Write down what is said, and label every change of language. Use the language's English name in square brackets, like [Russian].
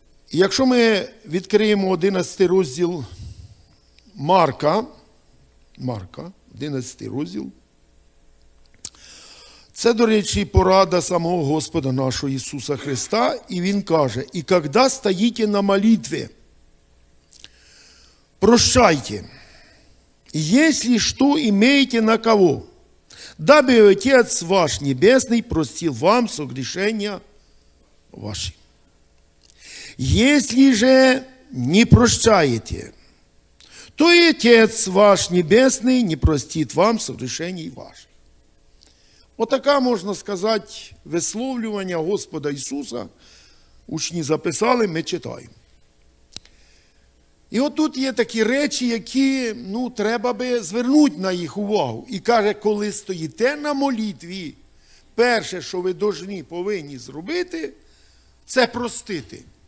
[Ukrainian] Якщо ми відкриємо 11 розділ Марка, Марка, 11 розділ, це, до речі, порада самого Господа нашого Ісуса Христа, і Він каже, [Russian] «І когда стоїте на молитві, прощайте, если что имеете на кого, дабы Отец ваш Небесный простил вам согрешения ваши. Если же не прощаете, то и Отец ваш Небесный не простит вам согрешений ваших». Вот такая, можно сказать, [Ukrainian] висловлювання Господа Ісуса, учні записали, ми читаємо. І отут є такі речі, які, ну, треба би звернути на їх увагу. І каже, коли стоїте на молитві, перше, що ви должні, повинні зробити, це простити.